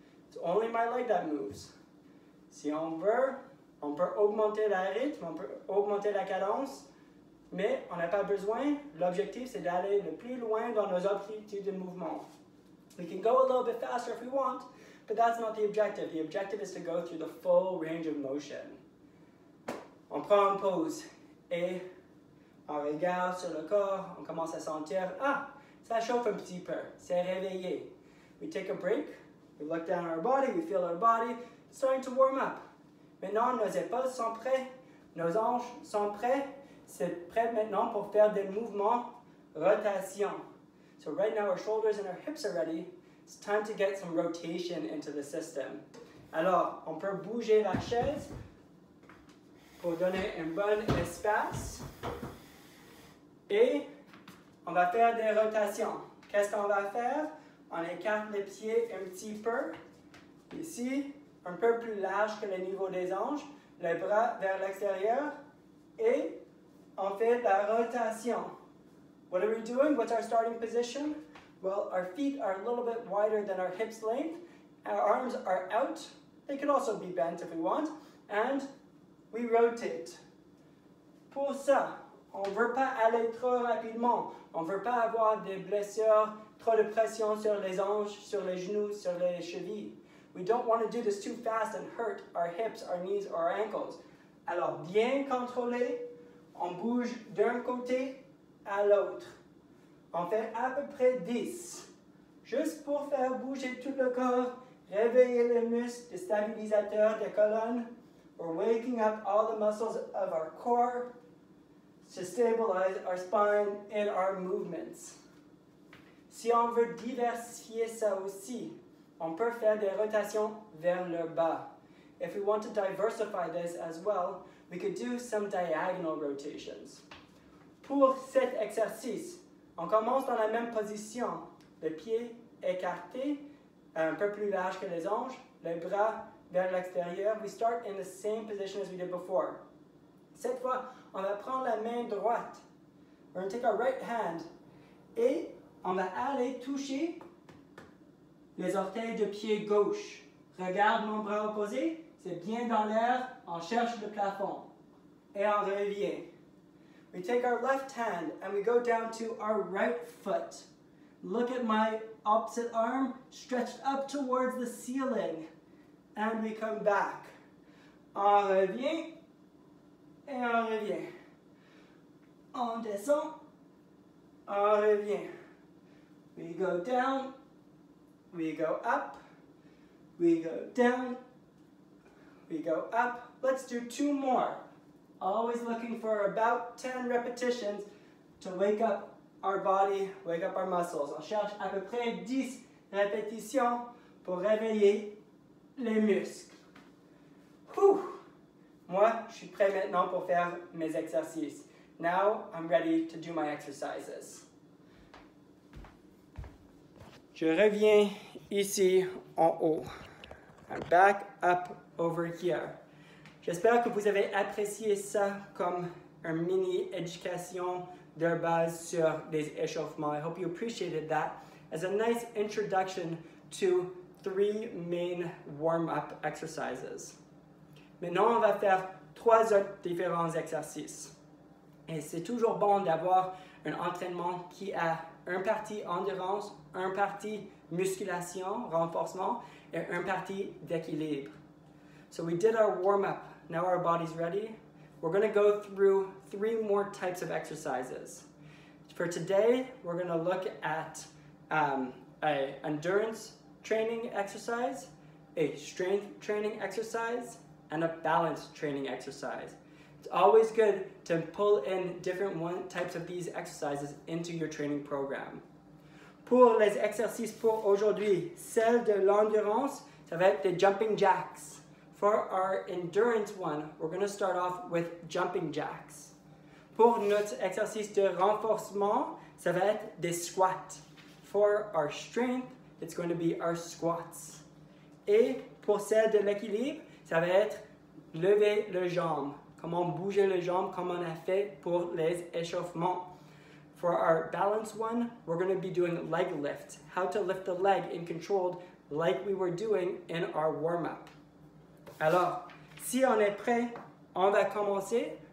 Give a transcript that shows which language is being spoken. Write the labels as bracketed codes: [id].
[en] It's only my leg that moves. [fr] Si on veut, on peut augmenter le rythme, on peut augmenter la cadence, mais on n'a pas besoin. L'objectif, c'est d'aller le plus loin dans nos objectifs de mouvement. [en] We can go a little bit faster if we want, But that's not the objective. The objective is to go through the full range of motion. [fr] On prend une pause et on regarde sur le corps, on commence à sentir, ah, ça chauffe un petit peu, c'est réveillé. [en] We take a break, we look down our body, we feel our body starting to warm up. [fr] Maintenant, nos épaules sont prêtes, nos hanches sont prêtes, c'est prêt maintenant pour faire des mouvements rotation. [en] So right now our shoulders and our hips are ready. It's time to get some rotation into the system. [fr] Alors, on peut bouger la chaise pour donner un bon espace. Et on va faire des rotations. Qu'est-ce qu'on va faire? On écarte les pieds un petit peu. Ici, un peu plus large que le niveau des hanches. Les bras vers l'extérieur. Et on fait la rotation. [en] What are we doing? What's our starting position? Well, our feet are a little bit wider than our hips length. Our arms are out. They can also be bent if we want. And we rotate. [fr] Pour ça, on ne veut pas aller trop rapidement. On ne veut pas avoir des blessures, trop de pression sur les hanches, sur les genoux, sur les chevilles. [en] We don't want to do this too fast and hurt our hips, our knees, or our ankles. [fr] Alors, bien contrôlé, on bouge d'un côté à l'autre. On fait à peu près 10. Juste pour faire bouger tout le corps, réveiller les muscles, les stabilisateurs, des colonnes. [en] We're waking up all the muscles of our core to stabilize our spine and our movements. [fr] Si on veut diversifier ça aussi, on peut faire des rotations vers le bas. [en] If we want to diversify this as well, we could do some diagonal rotations. [fr] Pour cet exercice, on commence dans la même position. Le pied écarté, un peu plus large que les hanches, les bras vers l'extérieur. [en] We start in the same position as we did before. [fr] Cette fois, on va prendre la main droite. [en] We're going to take our right hand. [fr] Et on va aller toucher les orteils de pied gauche. Regarde mon bras opposé. C'est bien dans l'air. On cherche le plafond. Et on revient. [en] We take our left hand and we go down to our right foot. Look at my opposite arm stretched up towards the ceiling. And we come back. [fr] On revient. Et on revient. On descend. On revient. [en] We go down. We go up. We go down. We go up. Let's do two more. Always looking for about 10 repetitions to wake up our body, wake up our muscles. [fr] On cherche à peu près 10 répétitions pour réveiller les muscles. Whew. Moi, je suis prêt maintenant pour faire mes exercices. [en] Now, I'm ready to do my exercises. [fr] Je reviens ici en haut. [en] I'm back up over here. [fr] J'espère que vous avez apprécié ça comme un mini éducation de base sur des échauffements. [en] I hope you appreciated that as a nice introduction to three main warm-up exercises. [fr] Maintenant, on va faire trois autres différents exercices. Et c'est toujours bon d'avoir un entraînement qui a un partie endurance, un partie musculation, renforcement, et un partie d'équilibre. [en] So we did our warm-up. Now our body's ready. We're going to go through three more types of exercises. For today, we're going to look at an endurance training exercise, a strength training exercise, and a balance training exercise. It's always good to pull in different types of these exercises into your training program. [fr] Pour les exercices pour aujourd'hui, celle de l'endurance, ça va être des jumping jacks. [en] For our endurance one, we're going to start off with jumping jacks. [fr] Pour notre exercice de renforcement, ça va être des squats. [en] For our strength, it's going to be our squats. [fr] Et pour celle de l'équilibre, ça va être lever le jambe. Comment bouger le jambe comme on a fait pour les échauffements. [en] For our balance one, we're going to be doing leg lifts. How to lift the leg in controlled like we were doing in our warm-up. [fr] Alors, si on est prêt, on va commencer.